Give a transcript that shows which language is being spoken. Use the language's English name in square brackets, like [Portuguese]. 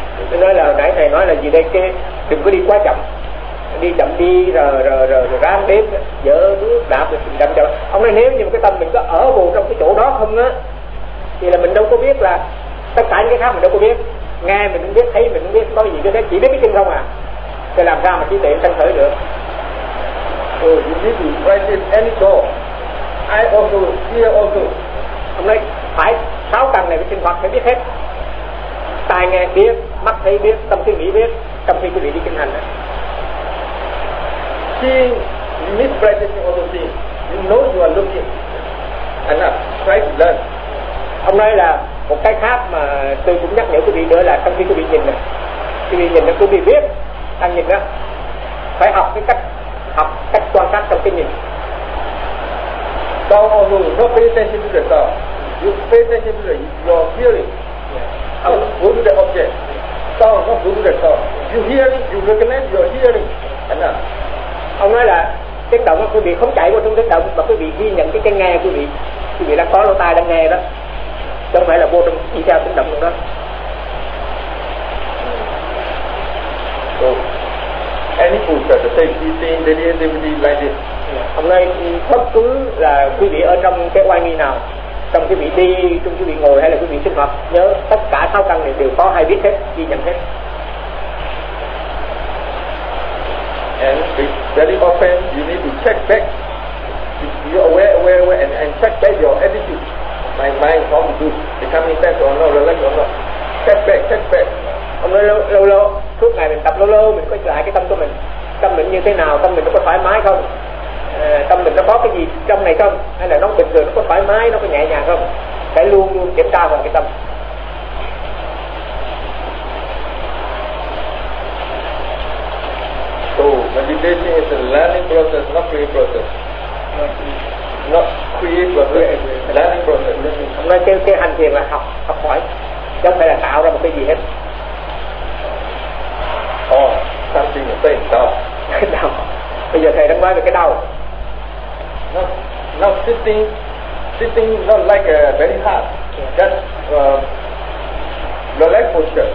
[Vietnamese] Tôi nói là nãy thầy nói là gì đây, cái đừng có đi quá chậm, đi chậm đi rồi ráng đếm dỡ bước đạp rồi chậm chậm. Ông nói nếu như cái tâm mình có ở bù trong cái chỗ đó không á, thì là mình đâu có biết là tất cả những cái khác mình đâu có biết, nghe mình cũng biết, thấy mình cũng biết, có gì cái đấy chỉ biết cái chân không à, thì làm sao mà trí tuệ tăng khởi được. [English] You need to practice any door, I also, here also. [Vietnamese] Ông nói phải sáu căn này phải sinh hoạt phải biết hết. tai nghe biết, mắt thấy biết, tâm suy nghĩ biết, tâm khi quý vị đi kinh hành. [English] Seeing, misrepresenting all those things, you know you are looking, and try to learn. [Vietnamese] Hôm nay là một cái khác mà tôi cũng nhắc nhở quý vị nữa là tâm khi quý vị nhìn này, quý vị nhìn nó quý vị biết, đang nhìn đó, phải học cái cách, học cách quan sát trong cái nhìn. [English] Don't know, don't pay attention to the thought. You pay attention to the, your feeling. Yeah. Go to the object. Thought, not go to the thought. You hearing, you recognize your hearing. Enough. [Vietnamese] Ông nói là tiếng động quý vị không chạy vô trong tiếng động mà quý vị ghi nhận cái nghe quý vị. Quý vị đang có lỗ tai đang nghe đó. Chứ không phải là vô trong đi theo tiếng động đó. [English] So, any food that the same thing, daily activity like this. [Vietnamese] Hôm nay bất cứ là quý vị ở trong cái oai nghi nào, trong quý vị đi, trong quý vị ngồi hay là quý vị sinh hoạt, nhớ tất cả sáu căn này đều có hai biết hết, ghi nhận hết. [English] And very often you need to check back, you aware and check back your attitude, my mind how to do, becoming tense or not, relax or not, check back. [Vietnamese] Hôm nay lâu, suốt ngày mình tập lâu, mình quay lại cái tâm mình như thế nào, tâm mình nó có thoải mái không? Tâm mình nó có cái gì trong này không, hay là nó bình thường, nó có thoải mái, nó có nhẹ nhàng không, phải luôn luôn kiểm tra vào cái tâm. [English] So meditation is a learning process, not creating process. Not creating process, learning process. [Vietnamese] Hôm nay cái hành thiền là học hỏi, chứ không phải là tạo ra một cái gì hết. [English] Oh, something to say, đau. [Vietnamese] Đau. Bây giờ thầy đang nói về cái đau. [English] Now sitting not like very hard, just the leg posture,